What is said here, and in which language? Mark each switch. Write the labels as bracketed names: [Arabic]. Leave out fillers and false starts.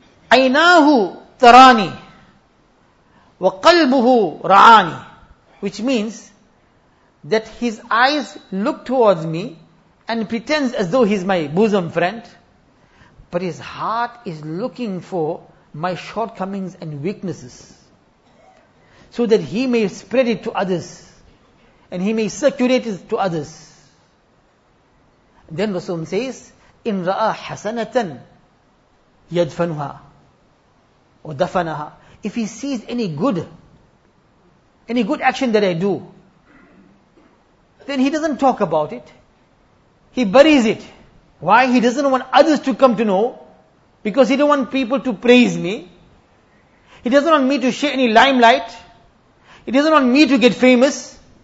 [Arabic] عَيْنَاهُ تَرَانِي وَقَلْبُهُ رَعَانِي. [English] Which means that his eyes look towards me and pretends as though he's my bosom friend, but his heart is looking for my shortcomings and weaknesses so that he may spread it to others and he may circulate it to others. Then Rasulullah says, [Arabic] إِن رَأَى حَسَنَةً يَدْفَنُهَا وَدَفَنَهَا. [English] If he sees any good action that I do, then he doesn't talk about it. He buries it. Why? He doesn't want others to come to know, because he don't want people to praise me. He doesn't want me to share any limelight. He doesn't want me to get famous.